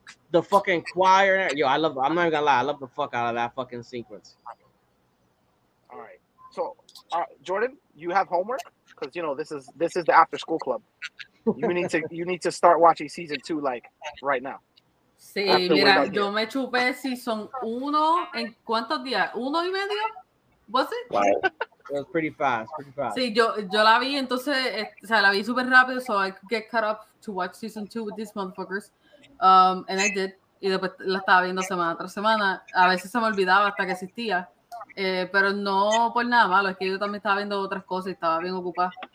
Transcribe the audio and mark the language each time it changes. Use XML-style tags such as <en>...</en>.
<en>The fucking choir. Yo, I love, I'm not even going to lie, I love the fuck out of that fucking sequence. Jordan, you have homework because you know this is the after school club. You need to start watching season two like right now.</en> <es>Sí, mira, yo me chupé season uno en cuántos días? Uno y medio, was it?</es> <en>Wow. It was pretty fast, pretty fast. Sí, yo la vi entonces, o sea, la vi super rápido, so I could get caught up to watch season two with these motherfuckers, and I did.</en> <es>Y después la estaba viendo semana tras semana. A veces se me olvidaba hasta que existía. Pero no por nada malo, es que yo también estaba viendo otras cosas y estaba bien ocupada.</es>